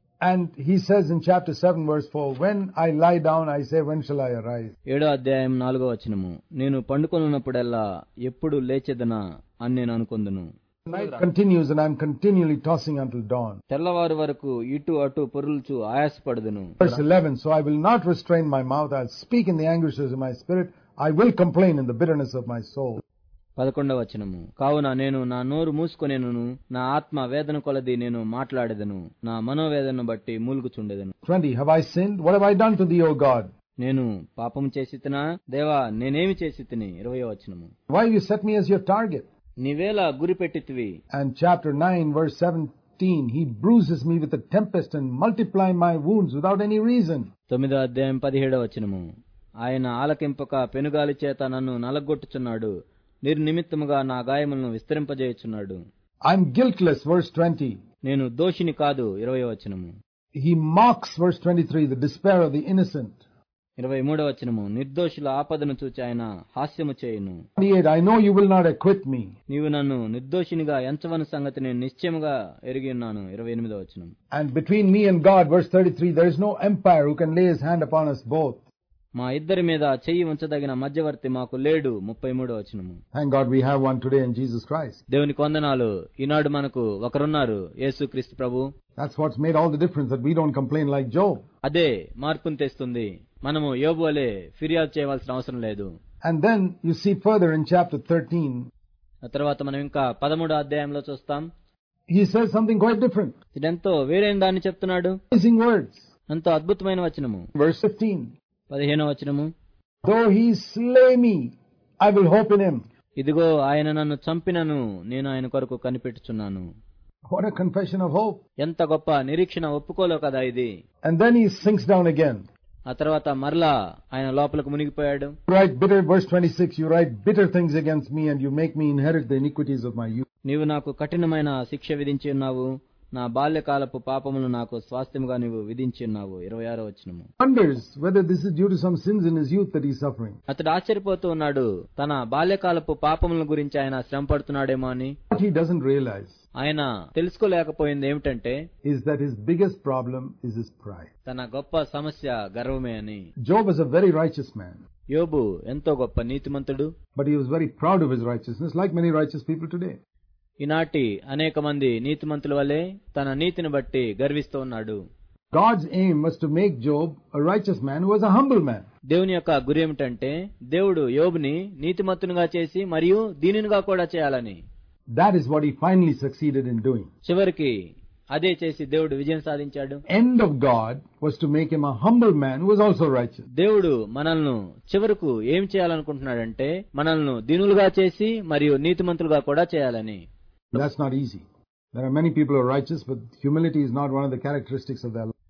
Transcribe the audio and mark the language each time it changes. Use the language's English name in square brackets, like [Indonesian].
[English] And he says in chapter 7 verse 4, when I lie down, I say, when shall I arise? [Telugu] 7వ అధ్యాయం 4వ వచనము. నేను పండుకొనున్నప్పుడల్లా ఎప్పుడు లేచేదనా అని నేను అనుకుందును. [English] Night continues and I am continually tossing until dawn. [Telugu] తెల్లవారు వరకు ఇటు అటు పొరులుచు ఆయాసపడదును. [English] Verse 11, so I will not restrain my mouth, I'll speak in the anguish of my spirit, I will complain in the bitterness of my soul. [Telugu] 11వ వచనము. కావున నేను నా నోరు మూసుకొనేను, నా ఆత్మ వేదన కొలది నేను మాట్లాడేదను, నా మనోవేదనను బట్టి మూలుగుచుండేదను. [English] 20, have I sinned? What have I done to thee, O God? [Telugu] నేను పాపం చేసితినా దేవా, నేనేమి చేసితిని? 20వ వచనము. [English] Why have you set me as your target? [Telugu] నీవేళ గురి పెట్టితివి. [English] And chapter 9 verse 17, he bruises me with a tempest and multiply my wounds without any reason. [Telugu] 9వ అధ్యాయం 17వ వచనము. ఆయన ఆలకింపక పెనుగాలి చేత నన్ను నలగొట్టుచున్నాడు, నిర్నిమిత్తముగా నా గాయములను విస్తరింపజేయుచున్నాడు. [English] I'm guiltless, verse 20. [Telugu] నేను దోషిని కాదు, 20వ వచనము. [English] He mocks, verse 23, the despair of the innocent. [Telugu] 23వ వచనము. నిర్దోషుల ఆపదను చూచి ఆయన హాస్యము చేయును. [English] 28, I know you will not acquit me. [Telugu] నీవు నన్ను నిర్దోషినిగా ఎంచవని సంగతి నేను నిశ్చయముగా ఎరిగి ఉన్నాను. 28వ వచనము. [English] And between me and God, verse 33, there is no empire who can lay his hand upon us both. [Telugu] మా ఇద్దరి మీద చెయ్యి ఉంచదగిన మధ్యవర్తి మాకు లేడు. 33వ వచనము. [English] Thank God we have one today in Jesus Christ. [Telugu] దేవునికి వందనాలు. ఈనాడు మనకు ఒకరున్నారు, యేసుక్రీస్తు ప్రభు. [English] That's what's made all the difference, that we don't complain like Job. [Telugu] అదే మార్పుని తెస్తుంది. మనము యోబు వలె ఫిర్యాదు చేయవలసిన అవసరం లేదు. [English] And then you see further in chapter 13. [Telugu] తర్వాత మనం ఇంకా 13వ అధ్యాయంలో చూస్తాం. [English] He says something quite different. [Telugu] ఇదెంతో వేరేం దాన్ని చెప్తున్నాడు. [English] Amazing words. [Telugu] ఎంతో అద్భుతమైన వచనము. [English] Verse 15. [Telugu] 15వ వచనము. [English] Though he slay me, I will hope in him. [Telugu] ఇదిగో ఆయన నన్ను చంపినను, నేను ఆయన కొరకు కనిపెట్టుచున్నాను. [English] What a confession of hope. [Telugu] ఎంత గొప్ప నిరీక్షణ, ఒప్పుకోలో కదా ఇది. [English] And then he sinks down again. [Telugu] ఆ తర్వాత మరలా ఆయన లోపలకు మునిగిపోయాడు. [English] Write bitter, verse 26, you write bitter things against me and you make me inherit the iniquities of my youth. [Telugu] నీవు నాకు కఠినమైన శిక్ష విధించి ఉన్నావు, నా బాల్యకాలపు పాపములను నాకు స్వాస్థ్యముగా నీవు విధించి ఉన్నావు. 26వ వచనము. [English] Wonders whether this is due to some sins in his youth that he is suffering. [Telugu] అతడు ఆశ్చర్యపోతూ ఉన్నాడు, తన బాల్యకాలపు పాపముల గురించి ఆయన శ్రమ పడుతున్నాడేమో అని. [English] But he doesn't realize. [Telugu] ఆయన తెలుసుకోలేకపోయింది ఏమిటంటే, [English] Is that his biggest problem is his pride. [Telugu] తన గొప్ప సమస్య గర్వమే అని. [English] Job is a very righteous man. [Telugu] యోబు ఎంతో గొప్ప నీతిమంతుడు. [English] But he was very proud of his righteousness, like many righteous people today. [Telugu] ఈనాటి అనేక మంది నీతిమంతుల వలె తన నీతిని బట్టి గర్విస్తూ ఉన్నాడు. [English] God's aim was to make Job a righteous man who was a humble man. [Telugu] దేవుని యొక్క గురి ఏమిటంటే, దేవుడు యోబుని నీతిమంతునిగా చేసి మరియు దీనినిగా కూడా చేయాలని. [English] That is what he finally succeeded in doing. [Telugu] చివరికి అదే చేసి దేవుడు విజయం సాధించాడు. [English] End of God was to make him a humble man who was also righteous. [Telugu] దేవుడు మనల్ని చివరకు ఏం చేయాలనుకుంటున్నాడంటే, మనల్ని దీనులుగా చేసి మరియు నీతిమంతులుగా కూడా చేయాలని. [English] That's not easy. There are many people who are righteous, but humility is not one of the characteristics of their life.